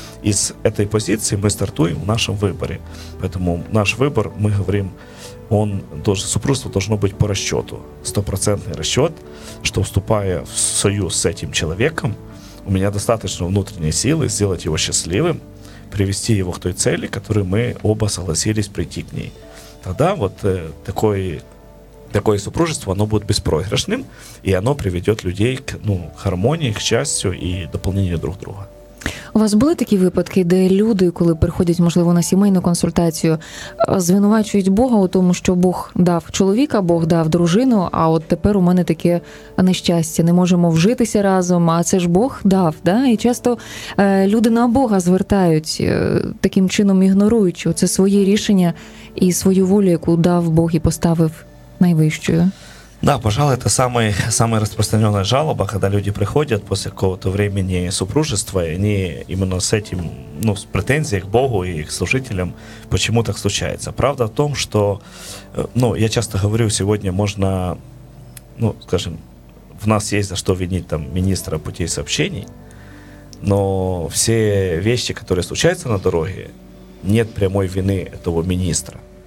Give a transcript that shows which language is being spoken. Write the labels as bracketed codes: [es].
[ru] И с этой позиции мы стартуем в нашем выборе. Поэтому наш выбор, мы говорим, он должен, супружество должно быть по расчету, стопроцентный расчет, что, вступая в союз с этим человеком, у меня достаточно внутренней силы сделать его счастливым, привести его к той цели, которой мы оба согласились прийти к ней. Тогда вот такое супружество, оно будет беспроигрышным, и оно приведет людей к, ну, гармонии, к счастью и дополнению друг друга. [uk] У вас були такі випадки, де люди, коли приходять, можливо, на сімейну консультацію, звинувачують Бога у тому, що Бог дав чоловіка, Бог дав дружину, а от тепер у мене таке нещастя, не можемо вжитися разом, а це ж Бог дав, да? І часто люди на Бога звертають, таким чином ігноруючи це своє рішення і свою волю, яку дав Бог і поставив найвищою. [ru] Да, пожалуй, это самая распространенная жалоба, когда люди приходят после какого-то времени супружества, и они именно с этим, ну, с претензией к Богу и к служителям, почему так случается. Правда в том, что, ну, я часто говорю, сегодня можно, ну, скажем, в нас есть за что винить там министра путей сообщений, но все вещи, которые случаются на дороге, нет прямой вины этого министра.